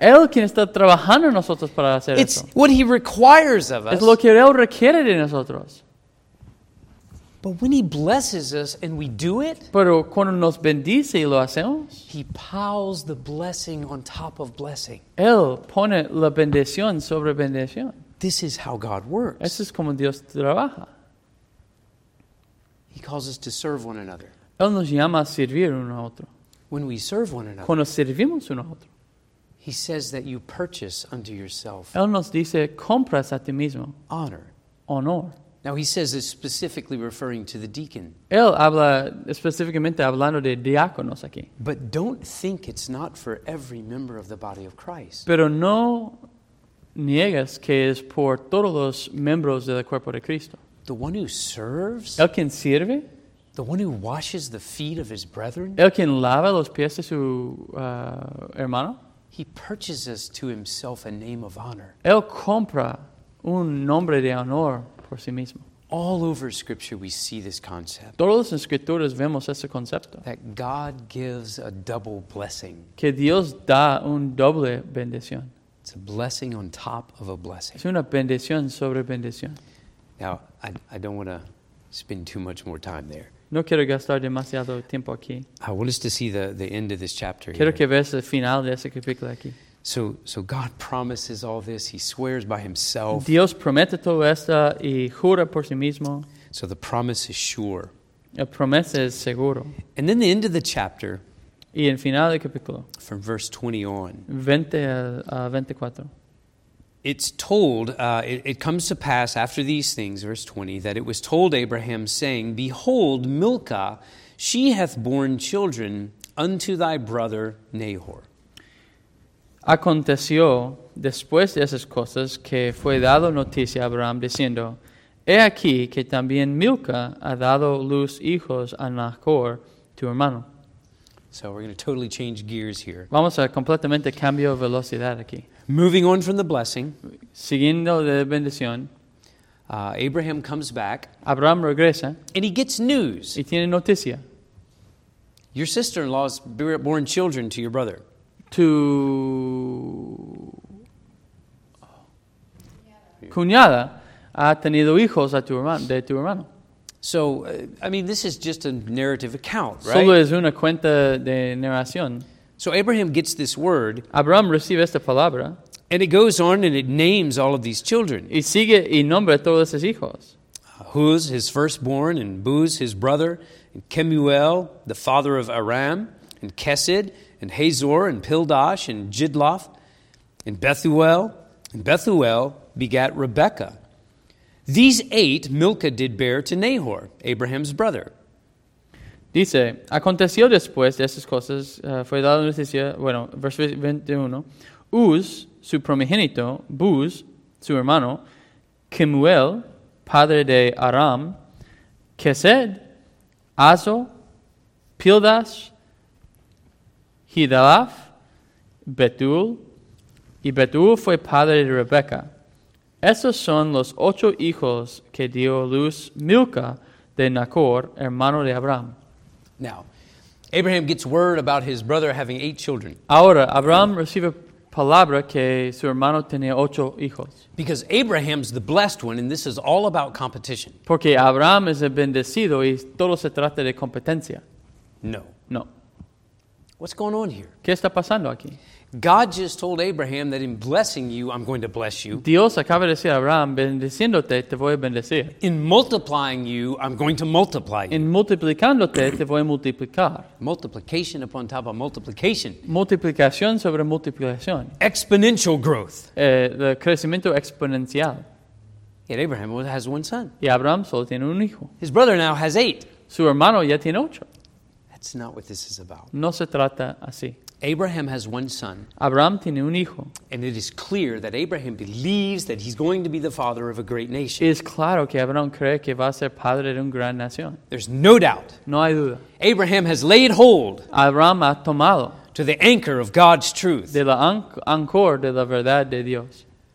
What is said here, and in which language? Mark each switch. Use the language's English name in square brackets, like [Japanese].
[Spanish] Él quien está trabajando en nosotros para hacer [English] it's [Spanish] eso. [English] It's what He requires of us. [Spanish] Es lo que Él requiere de nosotros. [English] But when He blesses us and we do it, [Spanish] pero cuando nos bendice y lo hacemos, [English] He piles the blessing on top of blessing. [Spanish] Él pone la bendición sobre bendición. [English] This is how God works. [Spanish] Eso es como Dios trabaja. [English] He calls us to serve one another. [Spanish] Él nos llama a servir uno a otro. [English] When we serve one another, [Spanish] cuando servimos uno a otro, [English] He says that you purchase unto yourself. [Spanish] Él nos dice compras a ti mismo. [English] Honor. [Spanish] Honor. [English] Now he says this specifically referring to the deacon. [Spanish] Él habla específicamente hablando de diáconos aquí. [English] But don't think it's not for every member of the body of Christ. [Spanish] Pero no niegas que es por todos los miembros del cuerpo de Cristo. [English] The one who serves. [Spanish] El quien sirve. [English] The one who washes the feet of his brethren. [Spanish] El quien lava los pies de su hermano. [English] He purchases to himself a name of honor. [Spanish] Él compra un nombre de honor. Por sí mismo. [English] All over Scripture, we see this concept. [Spanish] Todos en escrituras vemos ese concepto. [English] That God gives a double blessing. [Spanish] Que Dios da un doble bendición. [English] It's a blessing on top of a blessing. [Spanish] Es una bendición sobre bendición. [English] Now, I don't want to spend too much more time there. [Spanish] No quiero gastar demasiado tiempo aquí. [English] I want us to see the end of this chapter. [Spanish] Quiero [English] here. [Spanish] Que veas el final de ese capítulo aquí. [English] So God promises all this. He swears by Himself. [Spanish] Dios promete todo esto y jura por sí mismo. [English] So the promise is sure. [Spanish] La promesa es seguro. [English] And then the end of the chapter. [Spanish] Y el final del capítulo. [English] From verse 20 on. [Spanish] 20 a 24. [English] It's told, it comes to pass after these things, verse 20, that it was told Abraham, saying, Behold, Milcah, she hath borne children, unto thy brother Nahor. [Spanish] Aconteció después de esas cosas que fue dado noticia a Abraham diciendo, he aquí que también Milca ha dado luz hijos a Nahor, tu hermano. [English] So we're going to totally change gears here. [Spanish] Vamos a completamente cambio de velocidad aquí. [English] Moving on from the blessing. [Spanish] Siguiendo de bendición. [English] Abraham comes back. [Spanish] Abraham regresa. [English] And he gets news. [Spanish] Y tiene noticia. [English] Your sister-in-law's born children to your brother. To... [Spanish] Cuñada ha tenido hijos a tu hermano, de tu hermano. [English] So, I mean, this is just a narrative account, right? [Spanish] Solo es una cuenta de narración. [English] So Abraham gets this word. [Spanish] Abraham recibe esta palabra. [English] And it goes on and it names all of these children. [Spanish] Y sigue y nombra todos esos hijos. [English] Huz, his firstborn, and Buz, his brother, and Kemuel, the father of Aram, and Kesed, and Hazor, and Pildash, and Jidlaph, and Bethuel. And Bethuel begat Rebekah. These eight Milcah did bear to Nahor, Abraham's brother. [Spanish] Dice, aconteció después de esas cosas, fue dado noticia, bueno, verso 21, Uz, su primogénito, Buz, su hermano, Kemuel, padre de Aram, Kesed, Azo, Pildash, Hidalaph, Betul, y Betul fue padre de Rebeca. Esos son los ocho hijos que dio luz Milca de Nahor, hermano de Abraham. [English] Now, Abraham gets word about his brother having eight children. [Spanish] Ahora, Abraham recibe palabra que su hermano tenía ocho hijos. [English] Because Abraham's the blessed one, and this is all about competition. [Spanish] Porque Abraham es el bendecido y todo se trata de competencia. [English] No. [Spanish] No. [English] What's going on here? [Spanish] ¿Qué está pasando aquí? [English] God just told Abraham that in blessing you, I'm going to bless you. [Spanish] Dios acaba de decir a Abraham, bendiciéndote, te voy a bendecir. [English] In multiplying you, I'm going to multiply you. [Spanish] En multiplicándote, te voy a multiplicar. [English] Multiplication upon top of multiplication. [Spanish] Multiplicación sobre multiplicación. [English] Exponential growth. [Spanish] El crecimiento exponencial. [English] Yet Abraham has one son. [Spanish] Y Abraham solo tiene un hijo. [English] His brother now has eight. [Spanish] Su hermano ya tiene ocho. [English] That's not what this is about. [Spanish] No se trata así. [English] Abraham has one son. [Spanish] Abraham tiene un hijo. [English] And it is clear that Abraham believes that he's going to be the father of a great nation. [Spanish] Es claro que Abraham cree que va a ser padre de una gran nación. [English] There's no doubt. [Spanish] No hay duda. [English] Abraham has laid hold. [Spanish] Abraham ha tomado. [English] To the anchor of God's truth. [Spanish] De la ancor de la verdad de Dios.